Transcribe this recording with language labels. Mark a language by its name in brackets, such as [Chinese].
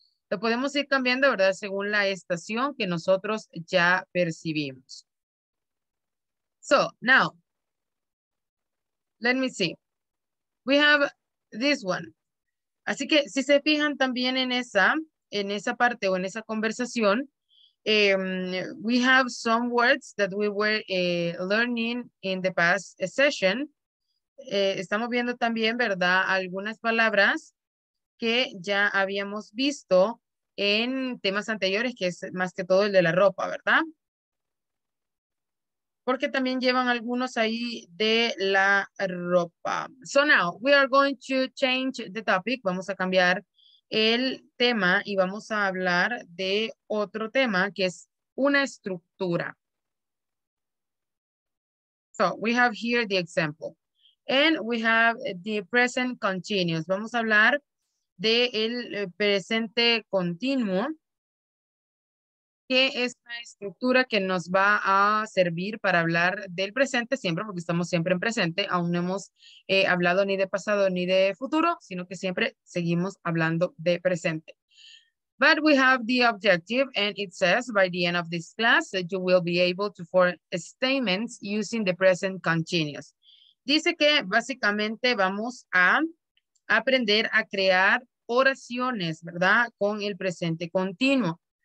[Spanish] Lo podemos ir cambiando, ¿verdad? Según la estación que nosotros ya percibimos. [English] So, now, let me see. We have this one. [Spanish] Así que si se fijan también en esa parte o en esa conversación, [English] We have some words that we were learning in the past session. [Spanish] Estamos viendo también, ¿verdad?, algunas palabras que ya habíamos visto en temas anteriores, que es más que todo el de la ropa, ¿verdad? Porque también llevan algunos ahí de la ropa. [English] So now, we are going to change the topic. [Spanish] Vamos a cambiar el tema y vamos a hablar de otro tema, que es una estructura. [English] So, we have here the example. And we have the present continuous. [Spanish] Vamos a hablar del presente continuo, que es una estructura que nos va a servir para hablar del presente siempre, porque estamos siempre en presente. Aún no hemos hablado ni de pasado ni de futuro, sino que siempre seguimos hablando de presente. [English] But we have the objective, and it says, by the end of this class, you will be able to form statements using the present continuous. [Spanish] Dice que básicamente vamos a aprender a crear oraciones, ¿verdad?, con el presente continuo.